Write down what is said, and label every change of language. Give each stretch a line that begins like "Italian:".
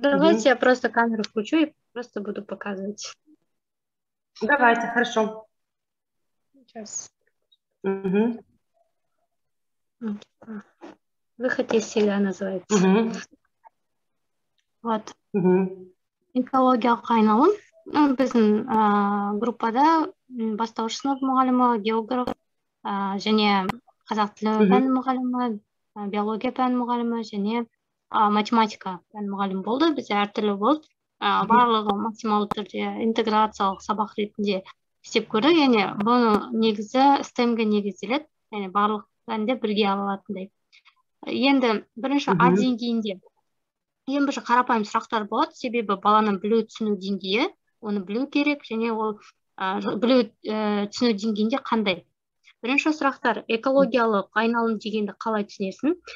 Russian: Давайте я просто камеру включу и просто буду показывать. Давайте, хорошо. Сейчас. Выход из себя называется.
Kazakh: Вот. Экологиялық айналым. Біздің группада бастауыш сынып мұғалімі, географ, және қазақ тілі пән мұғалімі, биология пән мұғалімі, және математика пән мұғалім болды. Бізде әртүрлі болды. Барлығы максималды түрде интеграциялық сабақ ретінде істеп көрді. Яғни бұны негізі STEM-ге негізделеді. Яғни барлық пәнді бірге алатындай. Енді бірінші А деңгейінде. Ең бірінші қарапайым сұрақтар болады, себебі баланың білу түсіну деңгейі, оны білу керек, және ол білу түсіну деңгейінде қандай. Бірінші сұрақтар, экологиялық айналым дегенді қалай түсінесің.